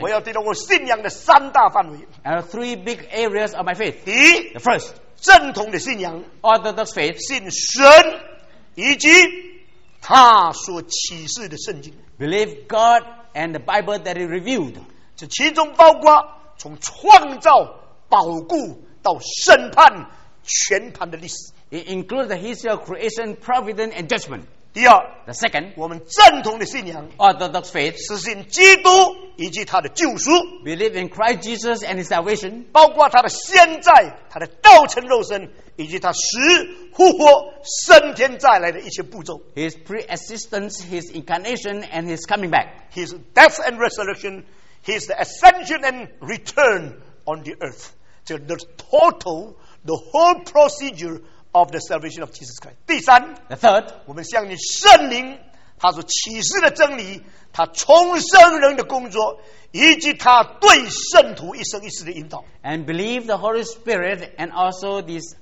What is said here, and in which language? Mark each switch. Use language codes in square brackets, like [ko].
[zh] 我要提到我信仰的三大范围 [en] and three big areas of my faith. [zh] 第一 [en] the first, [zh] 正统的信仰 [en] orthodox faith, [zh] 信神以及他所启示的圣经 [en] believe God and the Bible that He revealed. [zh] 这其中包括从创造、保护到审判全盘的历史 [en] It includes the history of creation, providence, and judgment. [zh] 第二 [en] The second [zh] 我们正统的信仰 [en] Orthodox faith [zh] 是信基督以及他的救赎 [en] Believe in Christ Jesus and his salvation [zh] 包括他的现在他的道成肉身以及他死复活升天再来的一些步骤 [en] His pre-existence, his incarnation, and his coming back His death and resurrection His ascension and return on the earth So the total The whole procedure of the salvation of Jesus Christ. [zh] 第三 [en] The third, [zh] 我们相信圣灵他所启示的真理，他重生人的工作，以及他对圣徒一生一世的引导。 [en] And believe the Holy Spirit and also this